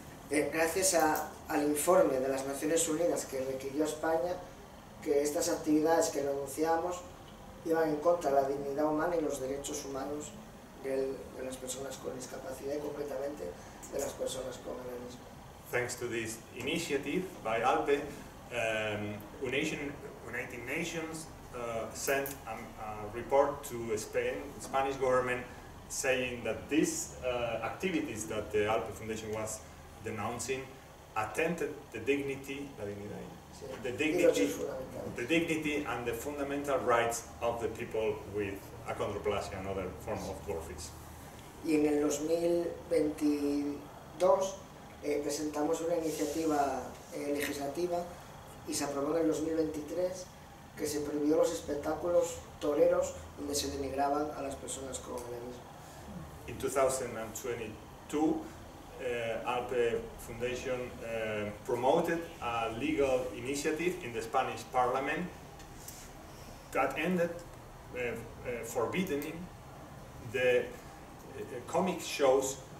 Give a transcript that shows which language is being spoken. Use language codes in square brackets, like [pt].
[es] gracias al informe de las Naciones Unidas que requirió a España que estas actividades que denunciamos iban en contra de la dignidad humana y los derechos humanos de las personas con discapacidad y concretamente de las personas con enanismo. [en] Thanks to this initiative by ALPE, United Nations sent a report to Spain, the Spanish government, saying that these activities that the ALPE Foundation was denouncing attempted the dignity, the dignity and the fundamental rights of the people with achondroplasia and other forms of dwarfism. [es] Y en el 2022 presentamos una iniciativa legislativa y se aprobó en el 2023 que se prohibió los espectáculos toreros donde se denigraban a las personas con enanismo. [en] In 2022, ALPE Foundation promoted a legal initiative in the Spanish Parliament that ended forbidding the comic shows.